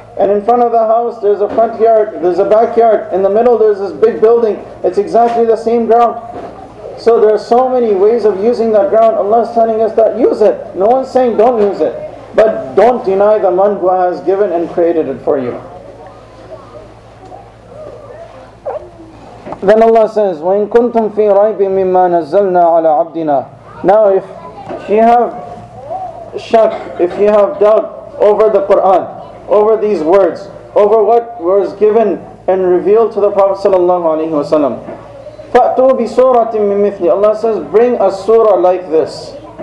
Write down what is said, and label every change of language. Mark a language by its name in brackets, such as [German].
[English] And in front of the house there's a front yard, there's a backyard. In the middle there's this big building. It's exactly the same ground. So there are so many ways of using that ground. Allah is telling us that use it. No one's saying don't use it. But don't deny the man who has given and created it for you. Then Allah says, [Arabic] وَإِن كُنْتُمْ فِي رَيْبٍ مِمَّا نَزَّلْنَا عَلَىٰ عَبْدِنَا. [English] Now if you have shak, if you have doubt over the Qur'an, over these words, over what was given and revealed to the Prophet sallallahu alayhi wasallam, [Arabic] فَأْتُوا بِسُورَةٍ مِّن مِثْلِ. [English] Allah says, bring a surah like this.